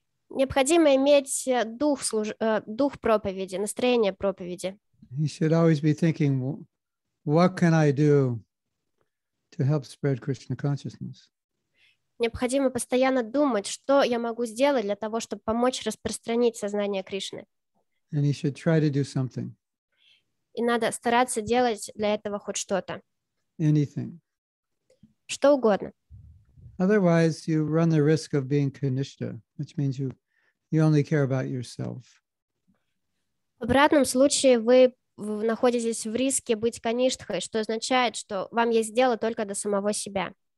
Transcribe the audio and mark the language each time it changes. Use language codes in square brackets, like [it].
[ru] Необходимо иметь дух, дух проповеди, настроение проповеди. [en] He should always be thinking, what can I do to help spread Krishna consciousness? [ru] Необходимо постоянно думать, что я могу сделать для того, чтобы помочь распространить сознание Кришны. [en] And he should try to do something. [ru] И надо стараться делать для этого хоть что-то. [en] Anything. [ru] Что угодно. [en] Otherwise, you run the risk of being Kanishta, which means you only care about yourself. [ru] В обратном случае вы находитесь в риске быть Каништхой, что означает, что вам есть дело только до самого себя.